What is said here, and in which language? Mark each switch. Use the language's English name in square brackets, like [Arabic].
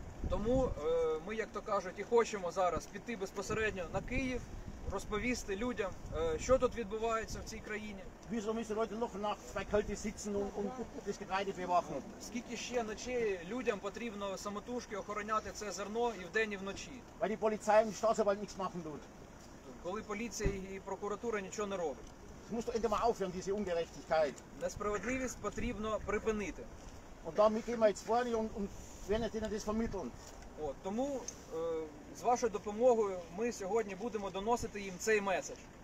[Ukrainian] Тому ми, як то кажуть, і хочемо зараз піти безпосередньо на Київ, розповісти людям, що тут відбувається в цій країні. [German] Wieso müssen Leute noch nachts bei Kälte sitzen und das Getreide bewachen? [Ukrainian] Скільки ще ночі людям потрібно самотужки охороняти це зерно і вдень, і вночі? [German] Weil die Polizei und die Staatsgewalt nichts machen tut. [Ukrainian] Коли поліція і прокуратура нічого не роблять. [German] Musst du endlich mal aufhören, diese Ungerechtigkeit. [Ukrainian] Несправедливість потрібно припинити. [German] Und damit gehen wir jetzt vorne und werden denen das vermitteln. [Ukrainian] От, тому з вашою допомогою ми сьогодні будемо доносити їм цей меседж.